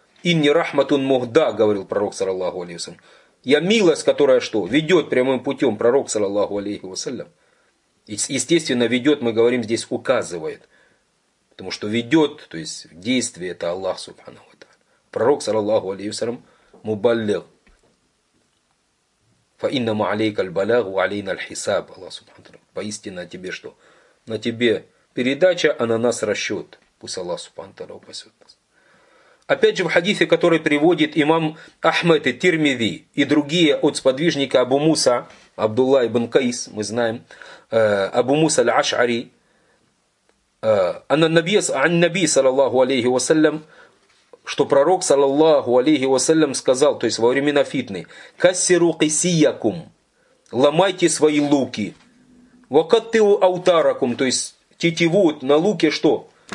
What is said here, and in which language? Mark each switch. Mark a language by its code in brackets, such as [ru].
[ar] «Инни рахматун мухда», [ru] говорил пророк, саллаллаху алейхи ва саллям. «Я милость, которая что? Ведет прямым путем пророк, саллаллаху алейхи ва саллям». Естественно, ведет, мы говорим, здесь указывает. Потому что ведет, то есть в действии это Аллах, субхана ва тааля. Пророк, саллаллаху алейхи ва саллям, мубаллигх. [ar] فَإِنَّمَ عَلَيْكَ الْبَلَغُ وَعَلَيْنَا الْحِسَابُ Аллах Субхану Тааля. [ru] Поистине тебе что? На тебе передача, а на нас расчет. Пусть Аллах Субхану Тааля упасет нас. Опять же в хадисе, который приводит имам Ахмед и Тирмиди и другие от сподвижника Абу Муса, Абдулла ибн Кайс, мы знаем, Абу Муса аль-Аш'ари, ан-Наби саллаллаху алейхи ва саллям, что пророк, саллаллаху алейхи вассалям, сказал, то есть во времена фитны, [ar] «Кассиру кисиякум», [ru] «Ломайте свои луки», [ar] «Вакаттиу аутаракум», [ru] то есть тетиву на луке что?